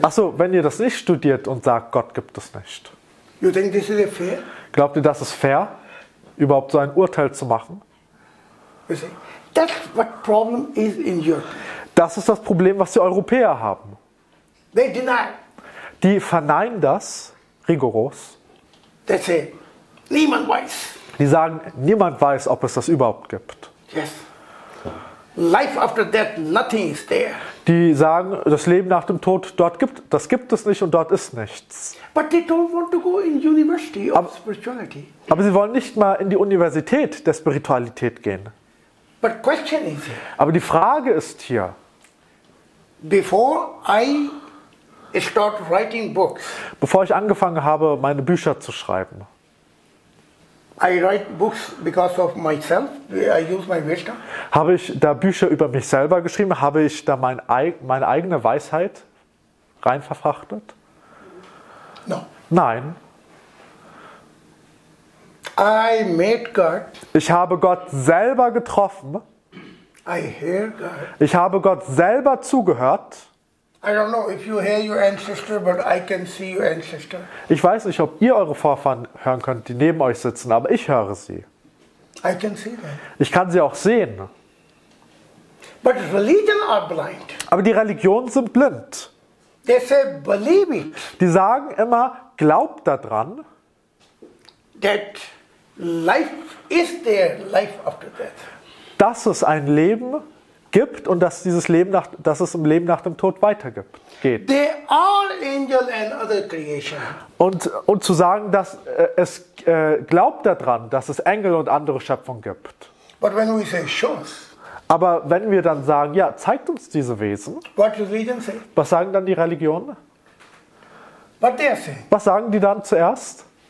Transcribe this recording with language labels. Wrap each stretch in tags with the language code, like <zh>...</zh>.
<de>Ach so, wenn ihr das nicht studiert und sagt, Gott gibt es nicht.</de> <en>You think this is fair?</en> <de>Glaubt ihr, das ist fair, überhaupt so ein Urteil zu machen?</de> <en>You see, that's what problem is in Europe.</en> <de>Das ist das Problem, was die Europäer haben.</de> <en>They deny.</en> <de>Die verneinen das rigoros.</de> <en>They say,</en> <de>niemand weiß. Die sagen, niemand weiß, ob es das überhaupt gibt.</de> <en>Yes. Life after death, nothing is there.</en> <de>Die sagen, das Leben nach dem Tod, das gibt es nicht und dort ist nichts.</de> <en>But they don't want to go in university of spirituality.</en> <de>Aber sie wollen nicht mal in die Universität der Spiritualität gehen.</de> <en>But question is,</en> <de>aber die Frage ist hier,</de> <en>Before I start writing books.</en> <de>Bevor ich angefangen habe, meine Bücher zu schreiben.</de> <en>I write books because of myself. I use my wisdom.</en> <de>Habe ich da Bücher über mich selber geschrieben? Habe ich da meine eigene Weisheit rein verfrachtet?</de> <en>No.</en> <de>Nein.</de> <en>I met God.</en> <de>Ich habe Gott selber getroffen.</de> <en>I hear God.</en> <de>Ich habe Gott selber zugehört.</de> <en>I don't know if you hear your ancestor, but I can see your ancestor.</en> <de>Ich weiß nicht, ob ihr eure Vorfahren hören könnt, die neben euch sitzen, aber ich höre sie.</de> <en>I can see them.</en> <de>Ich kann sie auch sehen.</de> <en>But religion are blind.</en> <de>Aber die Religionen sind blind.</de> <en>They say believe it.</en> <de>Die sagen immer, glaubt daran.</de> <en>That life is there, life after death.</en> <de>Dass es ein Leben gibt und dass dieses Leben nach, dass es im Leben nach dem Tod weitergeht.</de> <en>They are angels and other creation.</en> <de>Und zu sagen, dass es glaubt daran, dass es Engel und andere Schöpfung gibt.</de> <en>But when we say shows.</en> <de>Aber wenn wir dann sagen, ja, zeigt uns diese Wesen.</de> <en>What does religion say?</en> <de>Was sagen dann die Religionen?</de> <en>What they say?</en> <de>Was sagen die dann zuerst?</de>